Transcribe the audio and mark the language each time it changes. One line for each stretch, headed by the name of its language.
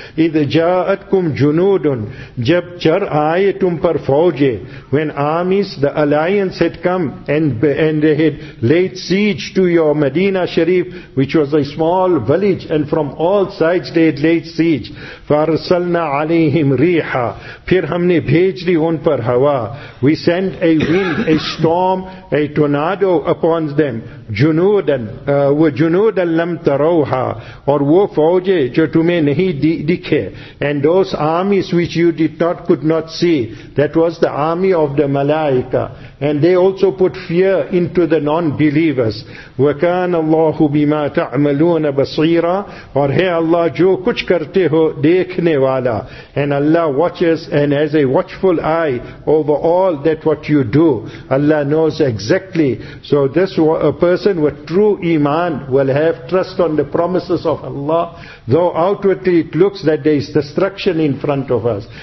Arabic: Idh ja'atkum junoodun,
Urdu: jab char aaye tum par fauje,
English: when armies, the alliance had come and they had laid siege to your Medina Sharif, which was a small village, and from all sides they had laid siege.
Arabic: فَارْسَلْنَا عَلَيْهِمْ رِيحَا
Urdu: پھر ہم نے بھیج لی ان پر ہوا.
English: We sent a wind, a storm, a tornado upon them.
Arabic: جُنُودًا وَجُنُودًا لَمْ تَرَوْهَا
Urdu: اور وہ فوجے جو تمہیں نہیں دکھے.
English: And those armies which you could not see, that was the army of the Malaika. And they also put fear into the non-believers.
Arabic: وَكَانَ اللَّهُ بِمَا تَعْمَلُونَ بَصِيرًا
Urdu: اور ہے اللہ جو کچھ کرتے ہو دیکھنے والا.
English: And Allah watches and has a watchful eye over all that what you do. Allah knows exactly. So this person with true iman will have trust on the promises of Allah. Though outwardly it looks that there is destruction in front of us.